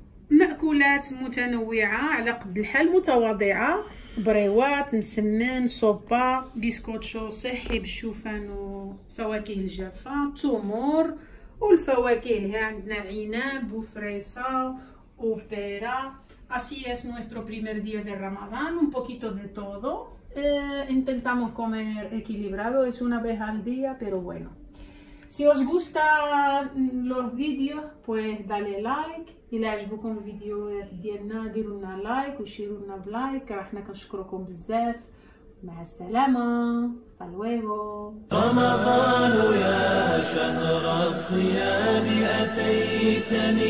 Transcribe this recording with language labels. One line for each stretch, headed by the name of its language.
Arabic: مأكولات متنوعة على قد الحال متواضعة. بريوات مسمن صوبا بيسكوت شو صحي بالشوفان وفواكه الجافة تمور والفواكه هي عندنا عناب وفريسة وبيرة.
Spanish: Así es nuestro primer día de Ramadán, un poquito de todo. Intentamos comer equilibrado, es una vez al día, pero bueno. Si os gustan los vídeos, pues dale like.
Arabic: إلا عجبكم الفيديو ديالنا ديروا لنا لايك وشيروا لنا بلايك. احنا كنشكركم بزاف. مع السلامة.
Spanish: Hasta luego.
Arabic: رمضان يا شهر الصيام أتيتني.